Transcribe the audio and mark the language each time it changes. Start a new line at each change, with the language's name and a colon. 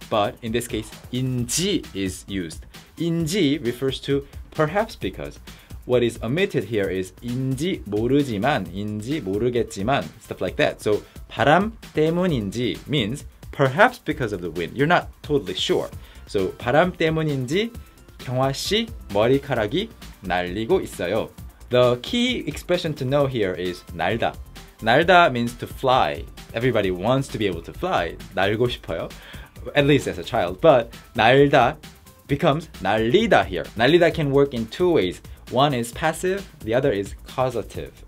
English: But in this case, 인지 is used. 인지 refers to perhaps because. What is omitted here is 인지 모르지만, 인지 모르겠지만, stuff like that. So
Korean: 바람 때문인지
English: means perhaps because of the wind. You're not totally sure.
Korean: So 바람 때문인지 경화 씨 머리카락이 날리고 있어요.
English: The key expression to know here is 날다. 날다 means to fly. Everybody wants to be able to fly.
Korean: 날고 싶어요.
English: At least as a child. But 날다 becomes 날리다 here. 날리다 can work in two ways. One is passive, the other is causative.